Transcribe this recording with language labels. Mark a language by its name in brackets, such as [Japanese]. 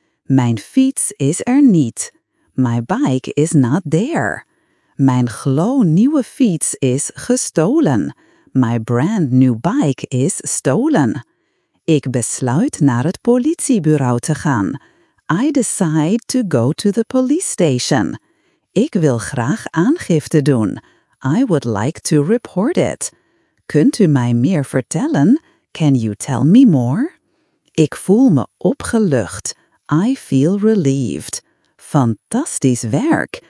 [Dutch] Mijn fiets is er niet. [English] My bike is not there. [Dutch] Mijn gloednieuwe fiets is gestolen. [English] My brand new bike is stolen. [Dutch] Ik besluit naar het politiebureau te gaan. [English] I decide to go to the police station. [Dutch] Ik wil graag aangifte doen. [English] I would like to report it. [Dutch] Kunt u mij meer vertellen? [English] Can you tell me more? [Dutch] Ik voel me opgelucht. [English] I feel relieved. [Dutch] Fantastisch werk!